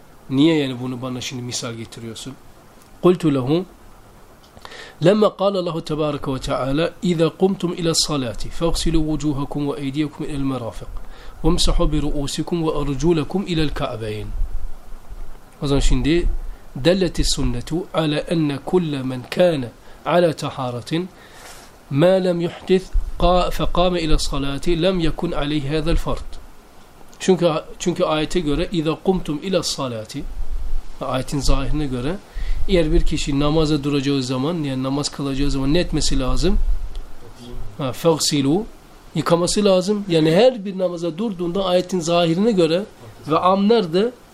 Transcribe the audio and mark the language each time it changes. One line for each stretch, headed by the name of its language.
Turkish: Niye yani bunu bana şimdi misal getiriyorsun?
Arabic: Kultu lehu. Lema kala Allahu tebareke ve teala İza kumtum ila salati feğsilu vucuhakum ve eydiyekum ila merafiq وَمْسَحُوا بِرُؤُوسِكُمْ وَأَرْجُولَكُمْ اِلَى الْكَعْبَيْنِ.
Turkish: O zaman şimdi
Arabic: دَلَّتِ السُنَّةُ عَلَى أَنَّ كُلَّ مَنْ كَانَ عَلَى تَحَارَةٍ مَا لَمْ يُحْدِثْ فَقَامَ اِلَى الصَّلَاةِ لَمْ يَكُنْ عَلَيْهِ هَذَا الْفَرْضِ.
Turkish: Çünkü ayete göre
Arabic: اِذَا قُمْتُمْ اِلَى الصَّلَاةِ,
Turkish: ayetin zahirine göre eğer bir kişi namaza duracağı zaman, yani namaz kılacağı zaman ne etmesi lazım?
Arabic: فَغْسِلُوا,
Turkish: yıkaması lazım. Yani her bir namaza durduğunda ayetin zahirine göre ve am nerede?